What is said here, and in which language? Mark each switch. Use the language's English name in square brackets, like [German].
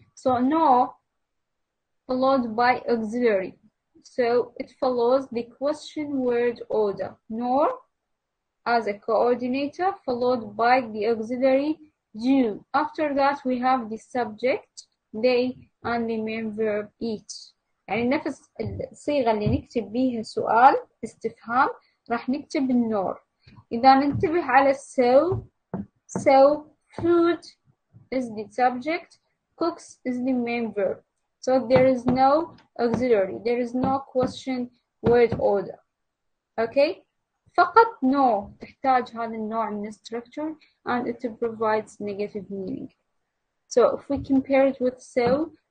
[English] So nor followed by auxiliary. So it follows the question word order. Nor as a coordinator followed by the auxiliary do. After that, we have the subject, they, and the main verb, eat. [Arabic] يعني نفس الصيغة اللي نكتب بيها سؤال استفهام راح نكتب النور. إذا ننتبه على [English] so, so food is the subject, cooks is the main verb. So there is no auxiliary, there is no question word order. Okay? [Arabic] فقط [English] no [Arabic] تحتاج هذا النوع من [English] structure and it provides negative meaning. So if we compare it with so,